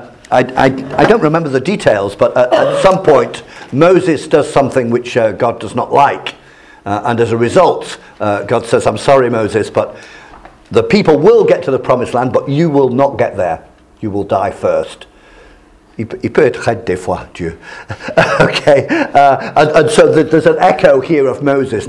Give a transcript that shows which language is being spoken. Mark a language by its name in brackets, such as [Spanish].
[English] I don't remember the details, but at some point Moses does something which God does not like, and as a result God says, I'm sorry Moses, but the people will get to the promised land, but you will not get there, you will die first. [French] Il peut être aidé des fois, Dieu. [English] Okay, and so there's an echo here of Moses.